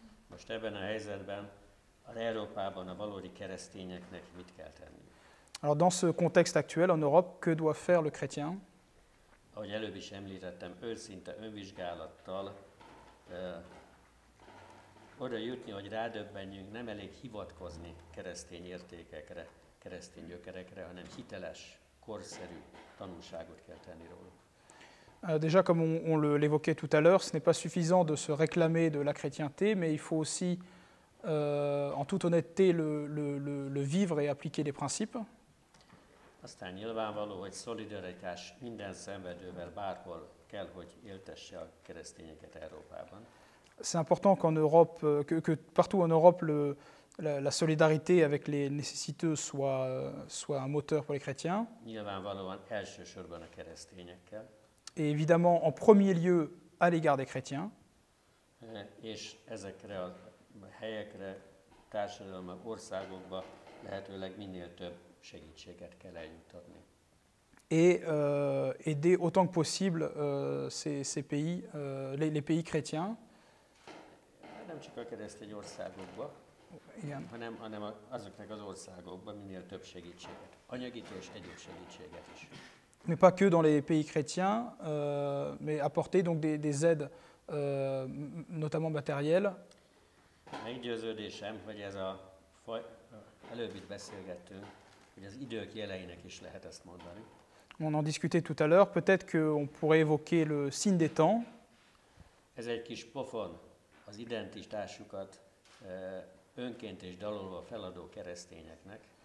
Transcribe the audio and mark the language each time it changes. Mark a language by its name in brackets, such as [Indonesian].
[Hungarian] Most ebben a helyzetben, az Európában a valódi keresztényeknek mit kell tenni? [French] Alors, dans ce contexte actuel en Europe, que doit faire le chrétien? [Hungarian] Ahogy előbb is említettem, őszinte önvizsgálattal oda jutni, hogy rádöbbenjünk, nem elég hivatkozni keresztény értékekre, keresztény gyökerekre, hanem hiteles, korszerű tanulságot kell tenni róluk. [French] Déjà, comme on l'évoquait tout à l'heure, ce n'est pas suffisant de se réclamer de la chrétienté, mais il faut aussi, en toute honnêteté, le vivre et appliquer les principes. [Hungarian] Aztán nyilvánvaló, hogy szolidaritás minden szenvedővel bárhol kell, hogy éltesse a keresztényeket Európában. [French] C'est important qu'en Europe, que partout en Europe, la solidarité avec les nécessiteux soit un moteur pour les chrétiens. [Hungarian] Nyilvánvalóan elsősorban a keresztényekkel. [French] Et évidemment, en premier lieu, à l'égard des chrétiens. [Hungarian] És ezekre a helyekre, társadalma, országokba lehetőleg minél több segítséget kell eljutatni. [French] Et aider autant que possible ces pays, les pays chrétiens. [Hungarian] Nem csak a keresztény országokba, hanem azoknak az országokba minél több segítséget, anyagit és egyéb segítséget is. [French] Mais pas que dans les pays chrétiens, mais apporter donc des aides, notamment matérielles. [Hungarian] Meggyőződésem, hogy ez a faj, előbb itt beszélgettünk, hogy az idők jeleinek is lehet ezt mondani. [French] On en discutait tout à l'heure, peut-être qu'on pourrait évoquer le signe des temps. [Hungarian] Ez egy kis pofon az identitásukat önként és dalolva feladó keresztényeknek.